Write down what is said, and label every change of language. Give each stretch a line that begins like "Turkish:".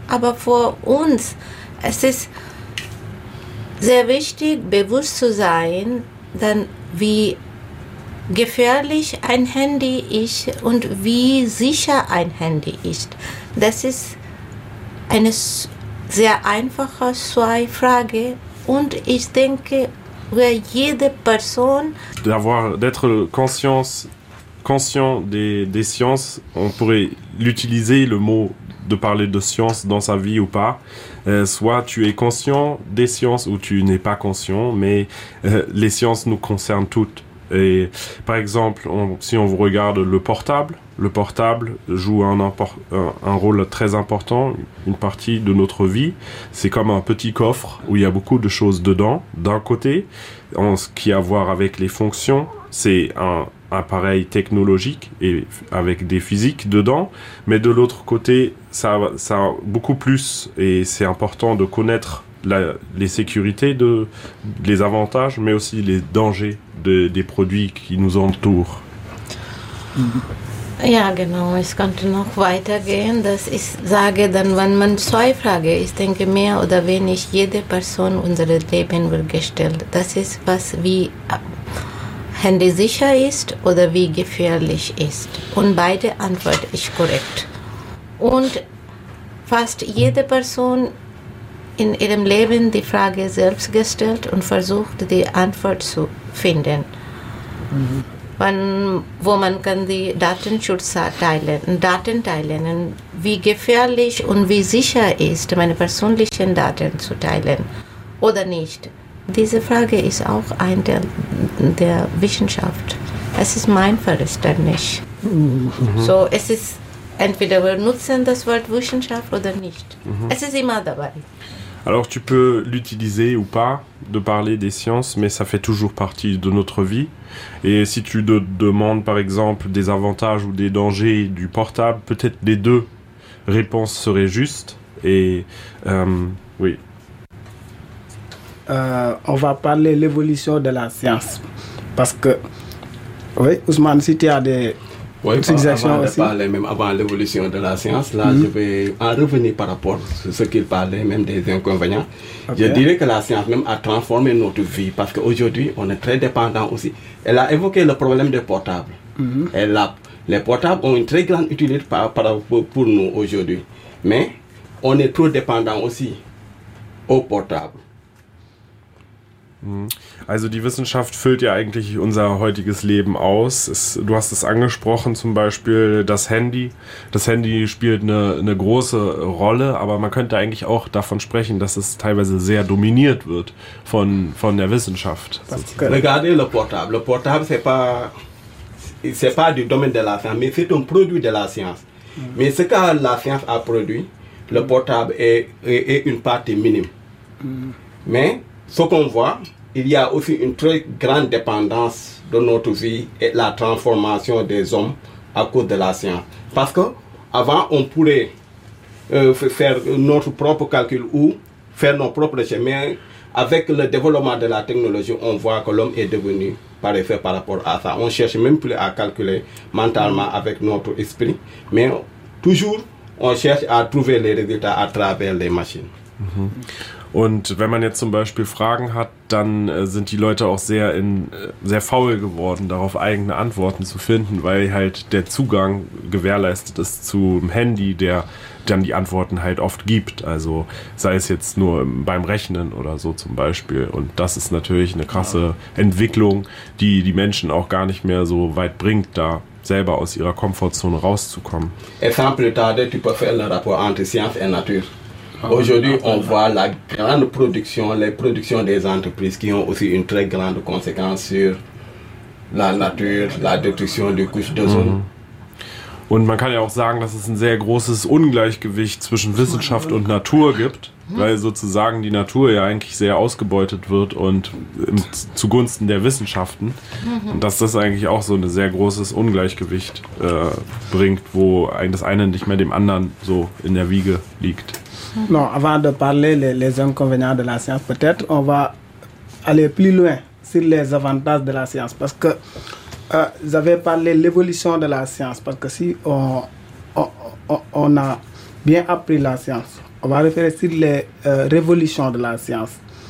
German: Aber für uns, es ist sehr wichtig, bewusst zu sein, dann wie gefährlich ein Handy ist und wie sicher ein Handy ist. Das ist eine sehr einfache zwei Frage. Und ich denke, wir jede Person
French: d'être conscient des sciences, on pourrait l'utiliser le mot de parler de science dans sa vie ou pas. Soit tu es conscient des sciences ou tu n'es pas conscient, mais les sciences nous concernent toutes. Et par exemple, si on vous regarde le portable joue un rôle très important, une partie de notre vie. C'est comme un petit coffre où il y a beaucoup de choses dedans. D'un côté, en ce qui a à voir avec les fonctions, c'est un appareil technologique et avec des physiques dedans. Mais de l'autre côté, ça a beaucoup plus et c'est important de connaître les sécurités, les avantages, mais aussi les dangers des produits qui nous entourent.
German: Ja, genau. Ich könnte noch weitergehen, dass ich sage, dann, wenn man zwei Fragen, ich denke, mehr oder weniger jede Person unser Leben wird gestellt. Das ist, was wie Handy sicher ist oder wie gefährlich ist. Und beide Antworten ist korrekt. Und fast jede Person in ihrem Leben die Frage selbst gestellt und versucht, die Antwort zu finden. Mhm. Wo man kann die Datenschutz teilen, Daten teilen, wie gefährlich und wie sicher ist, meine persönlichen Daten zu teilen oder nicht. Diese Frage ist auch ein Teil der Wissenschaft. Es ist mein Verständnis. Mhm. So, es ist entweder wir nutzen das Wort Wissenschaft oder nicht. Mhm. Es ist immer dabei.
French: Alors tu peux l'utiliser ou pas, de parler des sciences, mais ça fait toujours partie de notre vie. Et si tu te demandes par exemple des avantages ou des dangers du portable, peut-être les deux réponses seraient justes. Et oui. On va parler de l'évolution de la science. Parce que, oui Ousmane, si tu as des... Oui, avant l'évolution de la science, là, je vais en revenir par rapport à ce qu'il parlait, même des inconvénients. Okay. Je dirais que la science même a transformé notre vie, parce qu'aujourd'hui, on est très dépendant aussi. Elle a évoqué le problème des portables. Les portables ont une très grande utilité pour nous aujourd'hui. Mais on est trop dépendant aussi aux portables.
German: Also die Wissenschaft füllt ja eigentlich unser heutiges Leben aus. Du hast es angesprochen, zum Beispiel das Handy. Das Handy spielt eine große Rolle, aber man könnte eigentlich auch davon sprechen, dass es teilweise sehr dominiert wird von der Wissenschaft.
French: Regardez le portable. Le portable, c'est pas du domaine de la science, mais c'est un produit de la science. Mais ce que la science a produit, le portable est une partie minime. Mais ce qu'on voit, il y a aussi une très grande dépendance de notre vie et la transformation des hommes à cause de la science. Parce qu'avant, on pourrait faire notre propre calcul ou faire nos propres chemins. Avec le développement de la technologie, on voit que l'homme est devenu parfait par rapport à ça. On ne cherche même plus à calculer mentalement avec notre esprit. Mais toujours, on cherche à trouver les résultats à travers les machines. Mm-hmm.
German: Und wenn man jetzt zum Beispiel Fragen hat, dann sind die Leute auch sehr faul geworden, darauf eigene Antworten zu finden, weil halt der Zugang gewährleistet ist zum Handy, der dann die Antworten halt oft gibt. Also sei es jetzt nur beim Rechnen oder so zum Beispiel. Und das ist natürlich eine krasse Entwicklung, die die Menschen auch gar nicht mehr so weit bringt, da selber aus ihrer Komfortzone rauszukommen.
French: Exemple tardé, tu peux faire le rapport entre science et nature. Aujourd'hui, on voit la grande production, les productions des entreprises qui ont aussi une très grande conséquence sur la nature, la destruction des couches d'ozone.
German: Und man kann ja auch sagen, dass es ein sehr großes Ungleichgewicht zwischen Wissenschaft und Natur gibt, weil sozusagen die Natur ja eigentlich sehr ausgebeutet wird und zugunsten der Wissenschaften. Und dass das eigentlich auch so ein sehr großes Ungleichgewicht bringt, wo das eine nicht mehr dem anderen so in der Wiege liegt.
French: Non, avant de parler les inconvénients de la science, peut-être on va aller plus loin sur les avantages de la science. Parce que vous avez parlé de l'évolution de la science. Parce que si on a bien appris la science, on va référer sur les révolutions de la science.